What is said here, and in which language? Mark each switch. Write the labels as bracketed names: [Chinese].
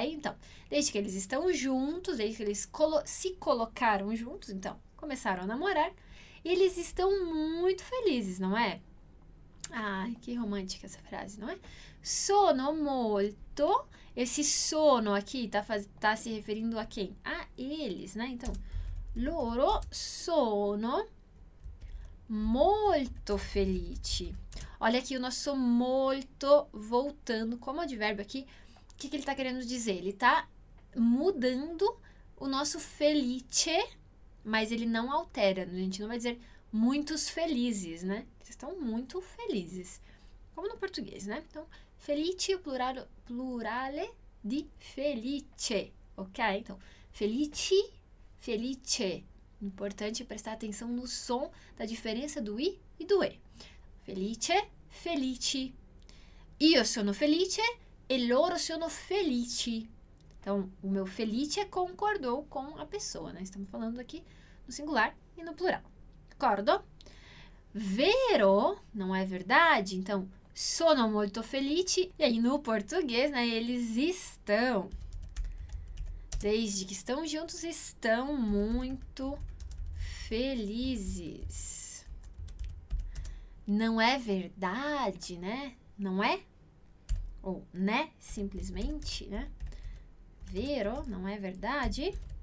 [Portuguese] Então, desde que eles estão juntos, desde que eles se colocaram juntos, então, começaram a namorar, eles estão muito felizes, não é? Ai, que romântica essa frase, não é? [Italian] Sono molto. [Portuguese] Esse sono aqui tá se referindo a quem? A eles, né? [Italian] Então, loro sono molto felici. [Portuguese] Olha aqui o nosso molto voltando como advérbio aqui. O que ele tá querendo dizer? Ele tá mudando o nosso felice, mas ele não altera. A gente não vai dizer muitos felizes, né? Estão muito felizes. Como no português, né? [Italian] Então, felice, plurale di felice. [Portuguese] Ok? Então, felici, felice. Importante prestar atenção no som da diferença do i e do e. [Italian] Felice, felici. Io sono felice e loro sono felici. [Portuguese] Então, o meu felice concordou com a pessoa, né? Estamos falando aqui no singular e no plural. Concordo? Vero, não é verdade? [Italian] Então, sono molto felici. [Portuguese] E aí, no português, né? Eles estão. Desde que estão juntos, estão muito felizes. Não é verdade, né? Não é? Ou, né? Simplesmente, né? Vero, não é verdade?